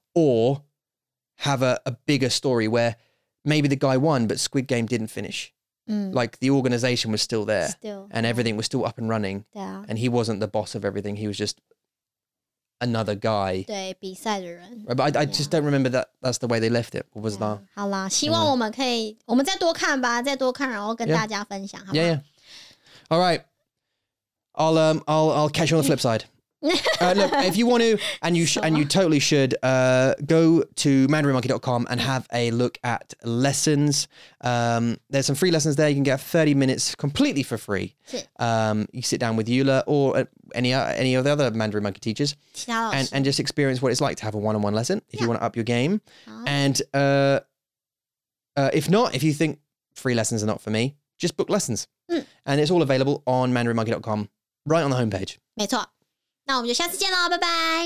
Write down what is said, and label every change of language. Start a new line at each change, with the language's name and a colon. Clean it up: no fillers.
English: Or have a bigger story where maybe the guy won, but Squid Game didn't finish. Like the organization was still there still. And everything was still up and running yeah. and he wasn't the boss of everything. He was just another guy.
Chinese: 对,比赛的人。
English: Right, but I yeah. just don't remember that that's the way they left it. What was yeah. that?
Chinese: 好啦,希望我们可以,我们再多看吧,再多看,然后跟大家分享,
English: yeah.
Chinese: 好吗?
English: Yeah. All right. I'll catch you on the flip side. look, if you want to, and you totally should, go to mandarinmonkey.com and have a look at lessons. There's some free lessons there. You can get 30 minutes completely for free. You sit down with Yula or any of the other Mandarin Monkey teachers and just experience what it's like to have a one-on-one lesson if you want to up your game. And if not, if you think free lessons are not for me, just book lessons. And it's all available on mandarinmonkey.com right on the homepage.
Chinese: 没错。那我们就下次见咯，拜拜。